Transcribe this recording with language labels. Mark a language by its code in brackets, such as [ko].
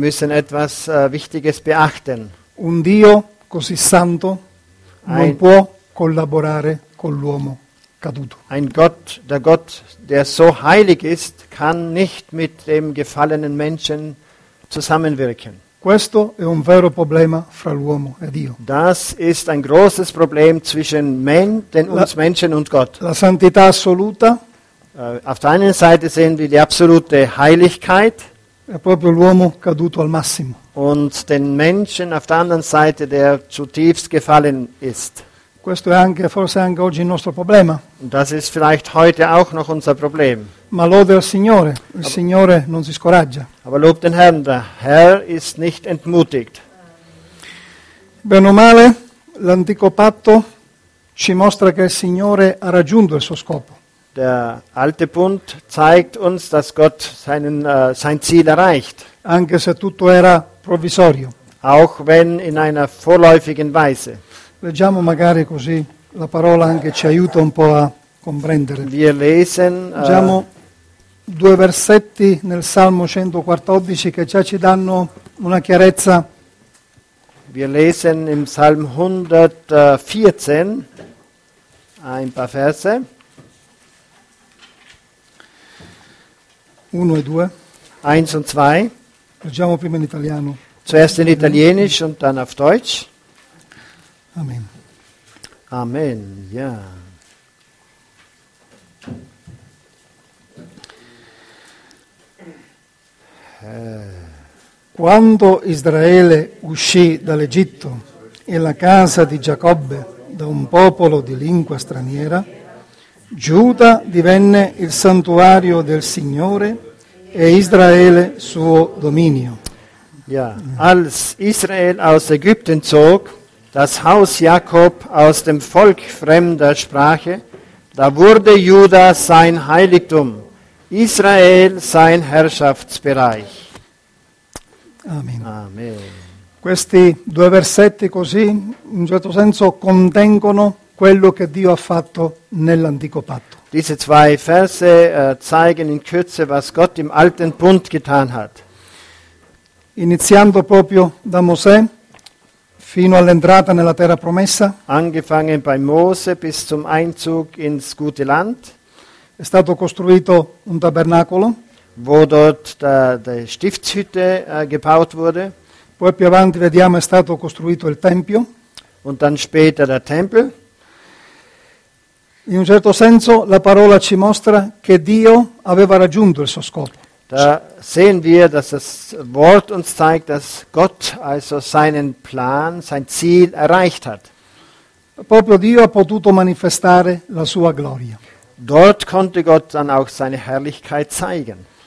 [de] Wir müssen etwas Wichtiges beachten. [it] Un Dio così santo non può collaborare con l'uomo caduto. [de] Ein Gott, der Gott, der so heilig ist, kann nicht mit dem gefallenen Menschen zusammenwirken. [it] Questo è un vero problema fra l'uomo e Dio. [de] Das ist ein großes Problem zwischen uns Menschen und Gott. [it] La santità assoluta. [de] Auf der einen Seite sehen wir die absolute Heiligkeit. [it] È proprio l'uomo caduto al massimo. [de] Und den Menschen auf der anderen Seite, der zutiefst gefallen ist. [it] Questo è anche forse anche oggi il nostro problema. [de] Das ist vielleicht heute auch noch unser Problem. [it] Ma lode al Signore, il Signore non si scoraggia. [de] Aber lob den Herrn, der Herr ist nicht entmutigt. [it] Bene o male, l'antico patto ci mostra che il Signore ha raggiunto il suo scopo. [de] Der alte Bund zeigt uns, dass Gott sein Ziel erreicht. [it] Anche se tutto era provvisorio. [de] Auch wenn in einer vorläufigen Weise. [it] Leggiamo magari così la parola anche ci aiuta un po' a comprendere. [de] Wir lesen, [it] leggiamo due versetti nel Salmo 114 che già ci danno una chiarezza. [de] Wir lesen im Psalm 114 ein paar Verse. [it] 1 e 2. [de] 1 und 2. [it] Leggiamo prima in italiano. [de] Zuerst in italienisch und dann auf Deutsch. Amen. Amen, ja. [it] Quando Israele uscì dall'Egitto e la casa di Giacobbe da un popolo di lingua straniera, Giuda divenne il santuario del Signore e Israele suo dominio. [de] Ja, als Israel aus Ägypten zog, das Haus Jakob aus dem Volk fremder Sprache, da wurde Juda sein Heiligtum, Israel sein Herrschaftsbereich. Amen. Amen. [it] Questi due versetti così, in certo senso, contengono quello che Dio ha fatto nell'antico patto. [de] Diese zwei Verse zeigen in Kürze, was Gott im alten Bund getan hat. [it] Iniziando proprio da Mosè fino all'entrata nella terra promessa. [de] Angefangen bei Mose bis zum Einzug ins gute Land. [it] È stato costruito un tabernacolo. [de] Wo dort die Stiftshütte gebaut wurde. [it] Poi più avanti vediamo è stato costruito il tempio. [de] Und dann später der Tempel. [it] In un certo senso la parola ci mostra che Dio aveva raggiunto il suo scopo. [de] Da sehen wir, dass das Wort uns zeigt, dass Gott also seinen Plan, sein Ziel erreicht hat. [it] Proprio Dio ha potuto manifestare la sua gloria. [de] Dort konnte Gott dann auch seine Herrlichkeit zeigen.